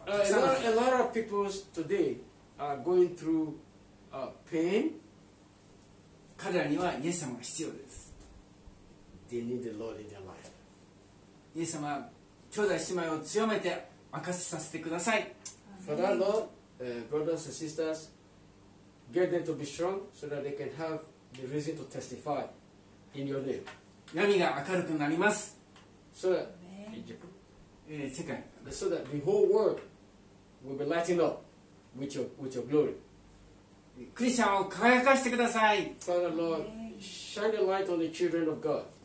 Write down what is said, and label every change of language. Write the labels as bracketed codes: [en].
[en] A lot of people today are going through pain. [ja] 彼らにはイエス様が必要です。 [en] They need the Lord in their life. [ja] イエス様、兄弟姉妹を強めて明かしさせてください。 [en] For that Lord, brothers and sisters, get them to be strong so that they can have the reason to testify in your name. [ja] 闇が明るくなります。 [en] So that, [ja] Amen. 世界。 [en] So that the whole world will be lighting up with your glory. [ja] クリスチャンを輝かしてください。 [en] Father Lord, shine a light on the children of God.